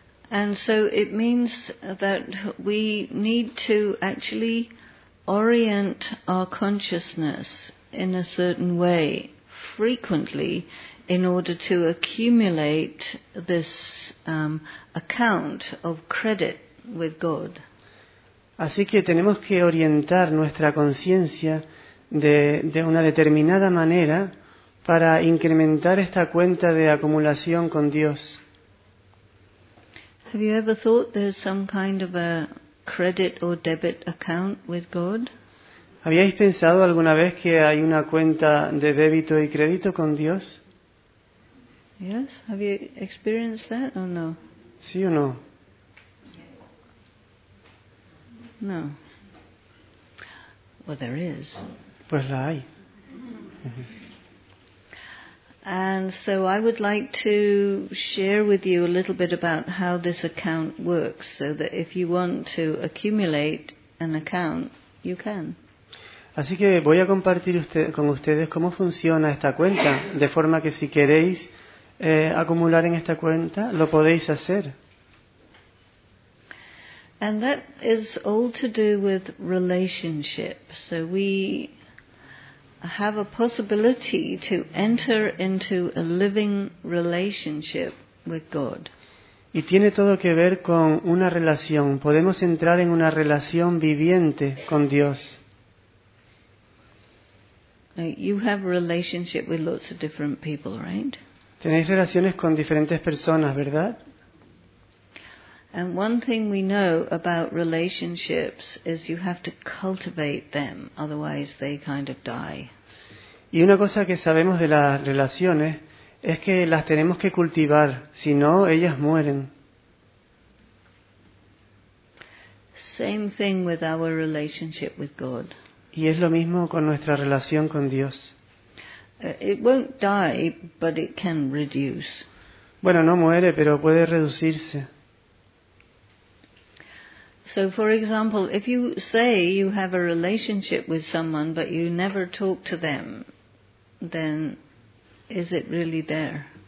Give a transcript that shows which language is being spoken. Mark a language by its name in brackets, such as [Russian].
[English] And so it means that we need to actually orient our consciousness in a certain way frequently in order to accumulate this account of credit with God. [Spanish] Así que tenemos que orientar nuestra conciencia de una determinada manera para incrementar esta cuenta de acumulación con Dios. [English] Have you ever thought there's some kind of a credit or debit account with God? [Spanish] ¿Habíais pensado alguna vez que hay una cuenta de débito y crédito con Dios? [English] Yes, have you experienced that or no? [Spanish] ¿Sí o no? [English] No. Well, there is. [Spanish] Pues la hay. [English] And so I would like to share with you a little bit about how this account works, so that if you want to accumulate an account, you can. [Spanish] Así que voy a compartir con ustedes cómo funciona esta cuenta, de forma que si queréis acumular en esta cuenta, lo podéis hacer. [English] And that is all to do with relationship. So we have a possibility to enter into a living relationship with God. [Spanish] Y tiene todo que ver con una relación. Podemos entrar en una relación viviente con Dios. [English] You have a relationship with lots of different people, right? [Spanish] Tenéis relaciones con diferentes personas, ¿verdad? [English] And one thing we know about relationships is you have to cultivate them, otherwise they kind of die. [Spanish] Y una cosa que sabemos de las relaciones es que las tenemos que cultivar, si no, ellas mueren. [English] Same thing with our relationship with God. [Spanish] Y es lo mismo con nuestra relación con Dios. [English] It won't die, but it can reduce. [Spanish] Bueno, no muere, pero puede reducirse. [English] So, for example, if you say you have a relationship with someone, but you never talk to them, then is it really there?